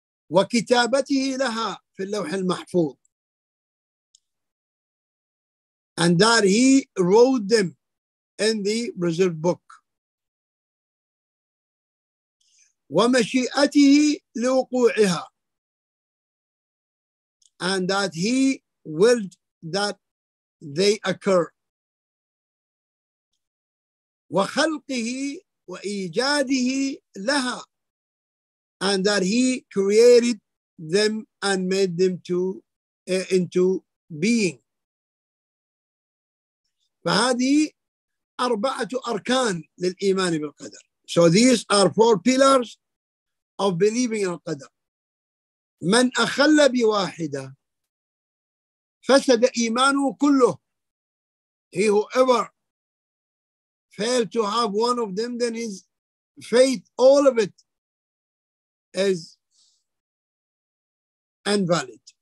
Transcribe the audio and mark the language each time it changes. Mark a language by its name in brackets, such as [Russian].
[Arabic] وكتابته لها في اللوح المحفوظ. [English] And that he wrote them in the reserved book. [Arabic] ومشيئته لوقوعها. [English] And that he willed that they occur. [Arabic] وخلقه وإيجاده لها, [English] and that he created them and made them to into being. [Arabic] فهذه أربعة أركان للإيمان بالقدر. [English] So these are four pillars of believing in القدر. [Arabic] من أخل بواحدة فسد إيمانه كله. [English] He whoever fail to have one of them, then his faith, all of it, is invalid.